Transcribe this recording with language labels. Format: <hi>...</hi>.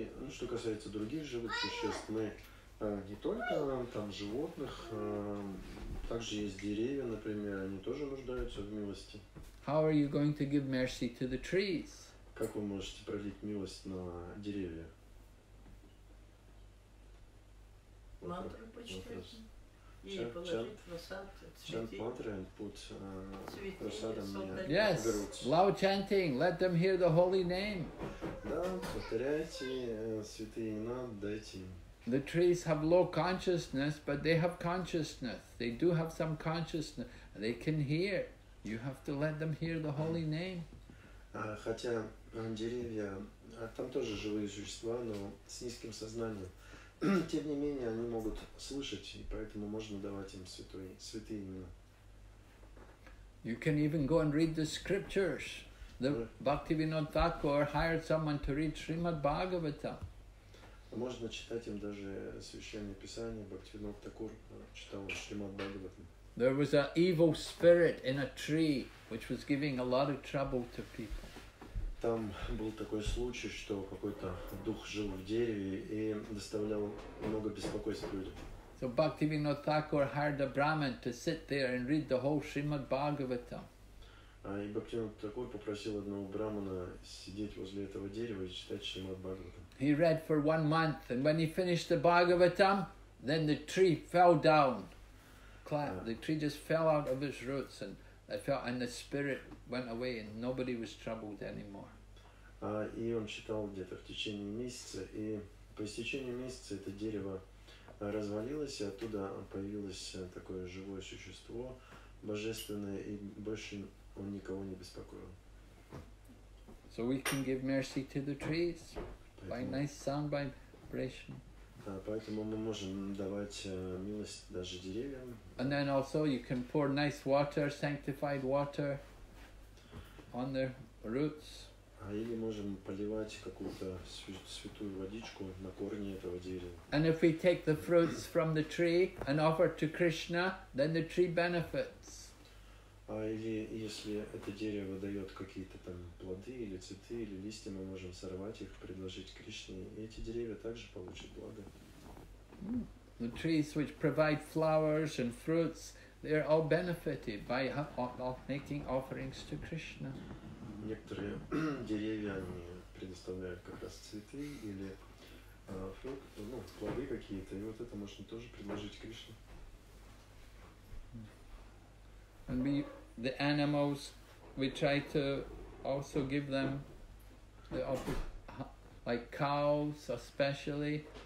<ru>Что касается других живых существ, мы не только там животных, также есть деревья, например, они тоже нуждаются в милости.</ru> <en>How are you going to give mercy to the trees?</en> <ru>Как вы можете пролить милость на деревья? Мантру почитать. Чан, и положить просад цветы. Чант мантры и цветы.</ru> <en>Yes, loud chanting, let them hear the holy name.</en> <ru>Да, повторяйте святые имена, дайте им</ru> <en>The trees have low consciousness, but they have consciousness. They do have some consciousness. They can hear. You have to let them hear the holy name.</en> <ru>Хотя деревья, там тоже живые существа, но с низким сознанием. Тем не менее, они могут слышать, и поэтому можно давать им святые имена.</ru> <en>You can even go and read the scriptures. The Bhaktivinoda Thakur hired someone to read Srimad Bhagavatam.</en> <ru>Можно читать им даже священное писание. Бхактивинода Такур читал Шримад Бхагаватам.</ru> <en>There was an evil spirit in a tree, which was giving a lot of trouble to people.</en> <ru>Там был такой случай, что какой-то дух жил в дереве и доставлял много беспокойств людям.</ru> <en>So Bhaktivinoda Thakur hired a Brahmin to sit there and read the whole Srimad Bhagavatam.</en> <ru>И Бхактивинода Такур попросил одного брамана сидеть возле этого дерева и читать Шримад Бхагаватам.</ru> <en>He read for 1 month, and when he finished the Bhagavatam, then the tree fell down. The tree just fell out of its roots, and it fell, and the spirit went away, and nobody was troubled anymore.</en> <ru>И он читал где-то в течение месяца, и по истечении месяца это дерево развалилось, и оттуда появилось такое живое существо, божественное, и больше он никого не беспокоил.</ru> <en>So we can give mercy to the trees by nice sound vibration.</en> <ru>Поэтому мы можем давать милость даже деревьям.</ru> <en>And then also you can pour nice water, sanctified water, on their roots.</en> <ru>Или можем поливать какую-то святую водичку на корни этого дерева.</ru> <en>And if we take the fruits from the tree and offer to Krishna, then the tree benefits.</en> <ru>А или если это дерево дает какие-то там плоды или цветы или листья, мы можем сорвать их, предложить Кришне, и эти деревья также получат благо.</ru> <en>The trees which provide flowers and fruits, they are all benefited by making offerings to Krishna.</en> <ru>Некоторые деревья, они предоставляют как раз цветы или фрукты, ну, плоды какие-то, и вот это можно тоже предложить Кришне.</ru> <en>And we, the animals, we try to also give them, the like cows especially.</en>